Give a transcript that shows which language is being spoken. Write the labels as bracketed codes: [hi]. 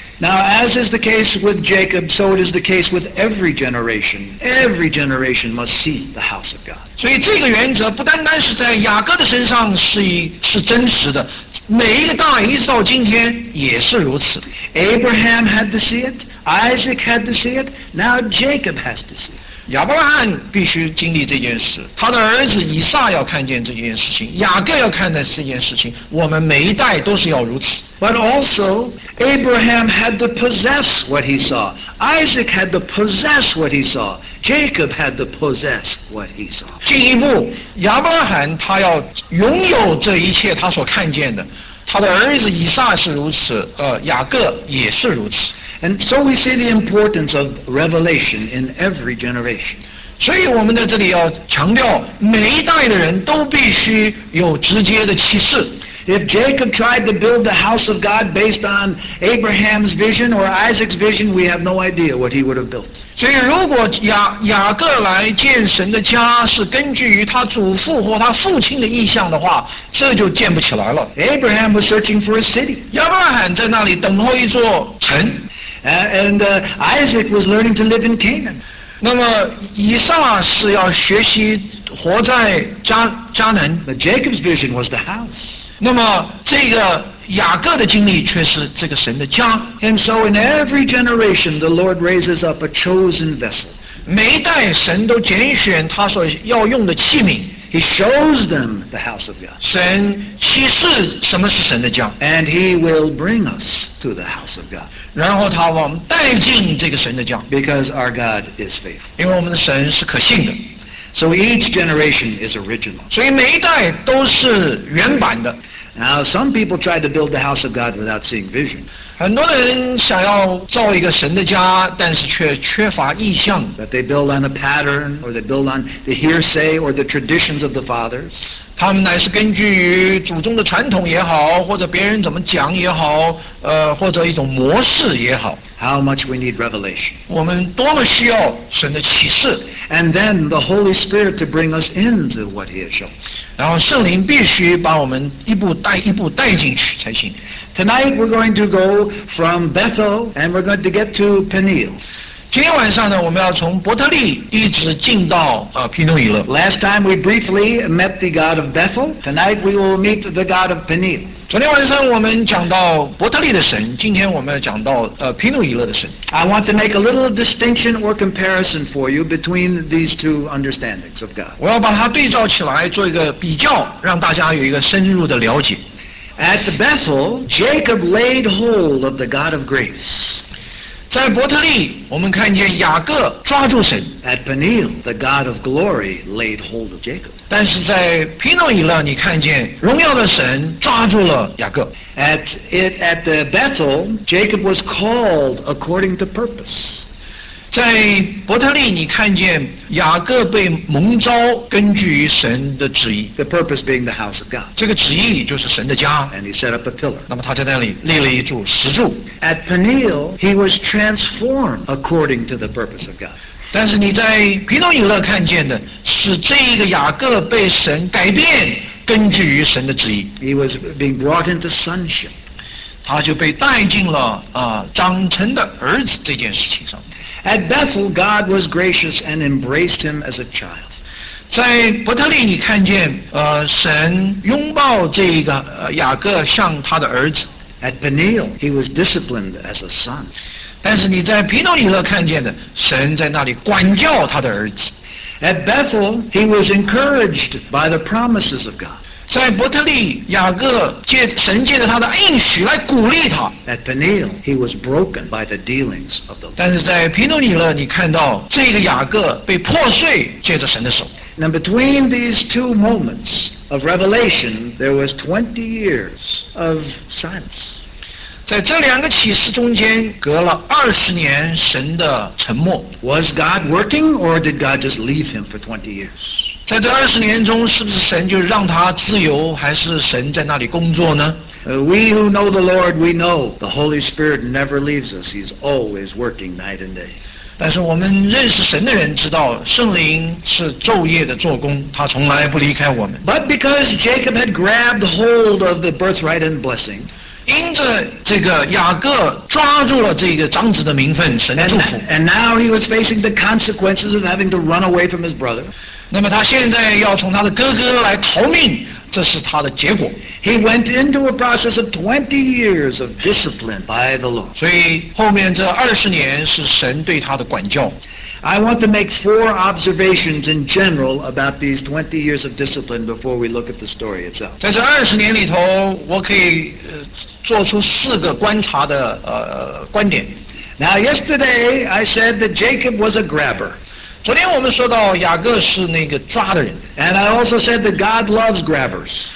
[en] Now, as is the case with Jacob, so it is the case with every generation. Every generation must see the house of God. [zh] 所以这个原则不单单是在雅各的身上是真实的，每一个大人一直到今天也是如此。 [en] Abraham had to see it, Isaac had to see it, now Jacob has to see it. [zh] 亚伯拉罕必须经历这件事，他的儿子以撒要看见这件事情，雅各要看见这件事情，我们每一代都是要如此。 [en] But also, Abraham had to possess what he saw. Isaac had to possess what he saw. Jacob had to possess what he saw. [zh] 进一步，亚伯拉罕他要拥有这一切他所看见的，他的儿子以撒是如此，雅各也是如此。 [en] And so we see the importance of revelation in every generation. [zh] 所以我们在这里要强调，每一代的人都必须有直接的启示。 [en] If Jacob tried to build the house of God based on Abraham's vision or Isaac's vision, we have no idea what he would have built. [zh] 所以如果 雅各来建神的家是根据于他祖父或他父亲的意向的话，这就建不起来了。 [en] Abraham was searching for a city. [zh] 亚伯拉罕在那里等候一座城。 [en] And Isaac was learning to live in Canaan. [zh] 那么以撒是要学习活在 迦南。 [en] But Jacob's vision was the house. [zh] 那么这个雅各的经历却是这个神的家。 [en] And so in every generation, the Lord raises up a chosen vessel. [zh] 每一代神都拣选他所要用的器皿。 [en] He shows them the house of God. [zh] 神启示什么是神的家。 [en] And he will bring us to the house of God. [zh] 然后他往带进这个神的家。 [en] Because our God is faithful. [zh] 因为我们的神是可信的。 [en] So each generation is original. [zh] 所以每一代都是原版的。 [en] Now some people try to build the house of God without seeing vision. [zh] 很多人想要造一个神的家，但是却缺乏意象。 [en] But they build on a pattern, or they build on the hearsay or the traditions of the fathers. [zh] 他们乃是根据于祖宗的传统也好，或者别人怎么讲也好，或者一种模式也好。 [en] How much we need revelation. [zh] 我们多么需要神的启示。 [en] And then the Holy Spirit to bring us into what he has shown. [zh] 然后圣灵必须把我们一步带进去才行。 [en] Tonight we're going to go from Bethel and we're going to get to Peniel. [zh] 今天晚上呢，我们要从伯特利一直进到皮诺以勒。 [en] Last time we briefly met the God of Bethel. Tonight we will meet the God of Peniel. [zh] 昨天晚上我们讲到伯特利的神，今天我们要讲到皮诺以勒的神。 [en] I want to make a little distinction or comparison for you between these two understandings of God. [zh] 我要把它对照起来做一个比较，让大家有一个深入的了解。 [en] At Bethel, Jacob laid hold of the God of grace. [zh] 在伯特利，我们看见雅各抓住神。 [en] At Peniel, the God of glory laid hold of Jacob. [zh] 但是在皮诺以勒，你看见荣耀的神抓住了雅各。 [en] At the Bethel, Jacob was called according to purpose. [zh] 在伯特利，你看见雅各被蒙召，根据于神的旨意。 [en] The purpose being the house of God. [zh] 这个旨意就是神的家。 [en] And he set up a pillar. [zh] 那么他在那里立了一柱石柱。 [en] At Peniel, he was transformed according to the purpose of God. [zh] 但是你在皮诺以勒看见的是这个雅各被神改变，根据于神的旨意。 [en] He was being brought into sonship. [zh] 他就被带进了长成的儿子这件事情上。 [en] At Bethel, God was gracious and embraced him as a child. [zh] 在伯特利你看见神拥抱这一个雅各像他的儿子。 [en] At Peniel, he was disciplined as a son. [zh] 但是你在皮诺以勒看见的神在那里管教他的儿子。 [en] At Bethel, he was encouraged by the promises of God. [zh] 在伯特利雅各神借着他的应许来鼓励他。 [en] At Peniel, he was broken by the dealings of the Lord. [zh] 但是在皮诺尼勒你看到这个雅各被破碎借着神的手。 [en] Now between these two moments of revelation, there was 20 years of silence. [zh] 在这两个启示中间隔了20年神的沉默。 [en] Was God working or did God just leave him for 20 years? [zh] 在这二十年中，是不是神就让他自由，还是神在那里工作呢？ [en] We who know the Lord, we know the Holy Spirit never leaves us. He's always working night and day. [zh] 但是我们认识神的人知道，圣灵是昼夜的做工，他从来不离开我们。 [en] But because Jacob had grabbed hold of the birthright and blessing. [zh] 因着这个雅各抓住了这个长子的名分，神的祝福。 [en] And now he was facing the consequences of having to run away from his brother. [zh] 那么他现在要从他的哥哥来逃命，这是他的结果。 [en] He went into a process of 20 years of discipline by the Lord. [zh] 所以后面这20年是神对他的管教。 [en] I want to make 4 observations in general about these 20 years of discipline before we look at the story itself. [zh] 在这20年里头，我可以做出四个观察的观点。 [en] Now yesterday I said that Jacob was a grabber. [zh] 昨天我们说到雅各是那个抓的人。 [en] And I also said that God loves grabbers.